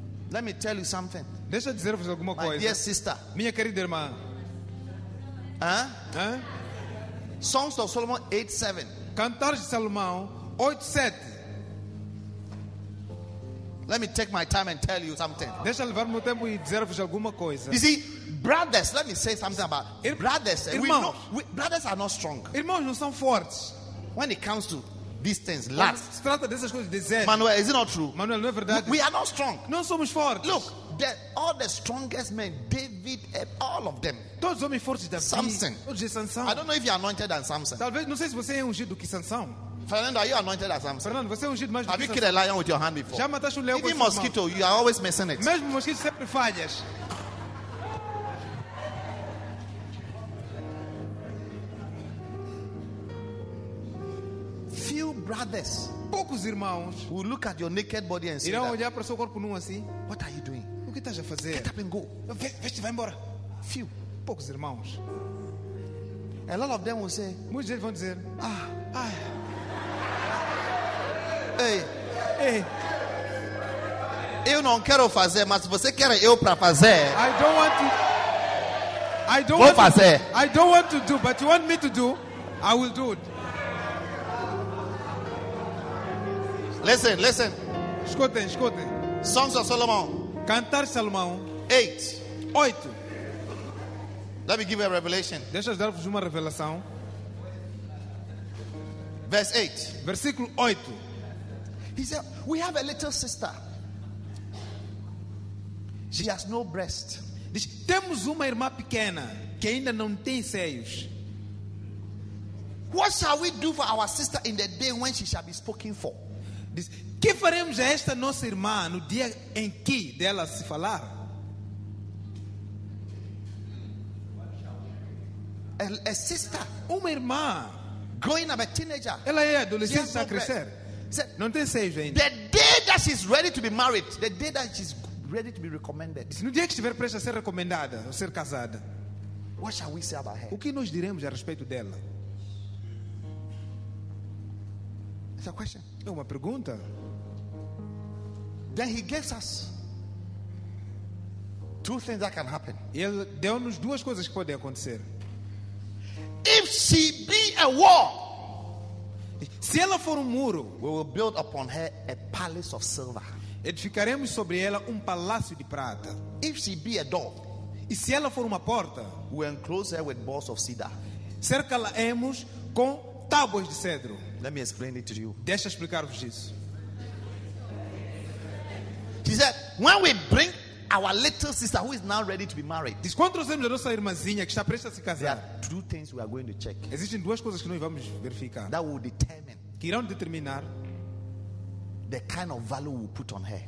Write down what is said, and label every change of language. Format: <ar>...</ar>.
<en>Let me tell you something.</en> <pt>Deixa eu dizer-vos alguma</pt> <en>My</en> <pt>coisa.</pt> <en>My dear sister.</en> <pt>Minha querida irmã.</pt> <en>Huh? Songs of Solomon 8:7.</en> <pt>Cantares de Salomão 8:7.</pt> <en>Let me take my time and tell you something.</en> <pt>Deixa eu levar meu tempo e dizer-vos alguma coisa.</pt> <en>You see, brothers, let me say something about brothers.</en> <pt>Irmãos,</pt> <en>brothers are not strong.</en> <pt>Irmãos não são fortes.</pt> <en>When it comes to these things, lust.</en> <pt>Se trata dessas coisas, dizer.</pt> <en>Manuel, is it not true?</en> <pt>Manuel, não é verdade?</pt> <en>We are not strong.</en> <pt>Não somos fortes.</pt> <en>Look, all the strongest men, David, all of them.</en> <pt>Todos homens fortes, Davi.</pt> <en>Samson.</en> <pt>Todos de Sansão.</pt> <en>I don't know if you are anointed as Samson.</en> <pt>Talvez não sei se você é ungido que Sansão.</pt> <en>Fernando, are you anointed as Samson?</en> <pt>Fernando, você é ungido mais.</pt> <en>Have you killed a lion with your hand before?</en> <pt>Já mataste leão com a mão.</pt> <en>Even mosquito, you are always missing it.</en> <pt>Mesmo mosquito sempre falhas.</pt> <en>Few brothers,</en> <pt>poucos irmãos,</pt> <en>who look at your naked body and say,</en> <pt>irão olhar para o seu corpo nu assim.</pt> <en>What are you doing?</en> <pt>O que estás a fazer?</pt> <en>Get up and go.</en> <pt>Veste, vai embora.</pt> <en>Few,</en> <pt>poucos irmãos.</pt> <en>A lot of them will say,</en> <pt>muitos deles vão dizer, ah, ai. Ei, ei. Eu não quero fazer, mas você quer eu para fazer?</pt> <en>I don't want to. I don't.</en> <pt>Vou fazer.</pt> <en>To, I don't want to do, but you want me to do, I will do it. Listen, listen.</en> <pt>Escutem, escutem.</pt> <en>Songs of Solomon.</en> <pt>Cantar Salomão.</pt> <en>8.</en> <pt>8.</pt> <en>Let me give you a revelation.</en> <pt>Deixa eu dar-vos uma revelação.</pt> <en>Verse 8.</en> <pt>Versículo 8.</pt> <en>He said, we have a little sister. She has no breast.</en> <pt>Diz, temos uma irmã pequena que ainda não tem seios.</pt> <en>What shall we do for our sister in the day when she shall be spoken for?</en> <pt>Diz, que faremos a esta nossa irmã no dia em que dela se falar?</pt> <en>A sister,</en> <pt>uma irmã,</pt> <en>growing up, a teenager,</en> <pt>ela é adolescente a crescer. Não tem seios ainda.</pt> <en>The day that she's ready to be married, the day that she's ready to be recommended.</en> <pt>No dia que estiver prestes a ser recomendada ou ser casada.</pt> <en>What shall we say about her?</en> <pt>O que nós diremos a respeito dela?</pt> <en>It's a question.</en> <pt>É uma pergunta.</pt> <en>Then he gives us two things that can happen.</en> <pt>Ele deu-nos duas coisas que podem acontecer.</pt> <en>If she be a wall,</en> <pt>se ela for muro,</pt> <en>we will build upon her a palace of silver.</en> <pt>Edificaremos sobre ela palácio de prata.</pt> <en>If she be a door,</en> <pt>e se ela for porta,</pt> <en>we enclose her with bars of cedar.</en> <pt>Cercá-la-emos com tábuas de cedro.</pt> <en>Let me explain it to you.</en> <pt>Deixa explicar-vos isso.</pt> <en>She said, when we bring our little sister who is now ready to be married,</en> <pt>diz, quando trouxemos a nossa irmãzinha que está prestes a se casar,</pt> <en>there are two things we are going to check.</en> <pt>Existem duas coisas que nós vamos verificar.</pt> <en>That will determine,</en> <pt>que irão determinar</pt> <en>the kind of value we put on her.</en>